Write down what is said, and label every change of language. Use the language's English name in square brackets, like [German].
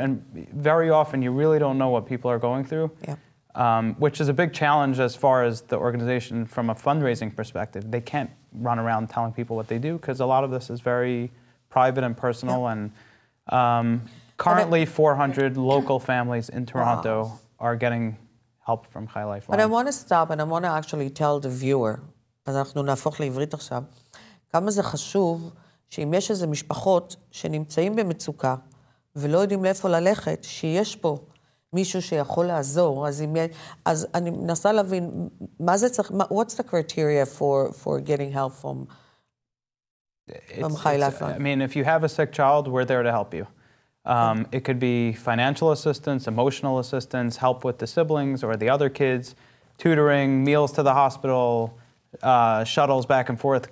[English] And very often, you really don't know what people are going through, which is a big challenge as far as the organization from a fundraising perspective. They can't run around telling people what they do because a lot of this is very private and personal. Yeah. And currently, 400 local families in Toronto are getting help from High Lifeline. But I want to stop and I want to actually tell the viewer, [Hebrew] אז אנחנו נהפוך לעברית עכשיו, כמה זה חשוב שאם יש איזה משפחות שנמצאים במצוקה ולא יודעים לאיפה ללכת, שיש פה מישהו שיכול לעזור. אז אני מנסה להבין, מה זה צריך, [English] what's the criteria for getting help from High Lifeline? I mean, if you have a sick child, we're there to help you. It could be financial assistance, emotional assistance, help with the siblings or the other kids, tutoring, meals to the hospital, shuttles back and forth.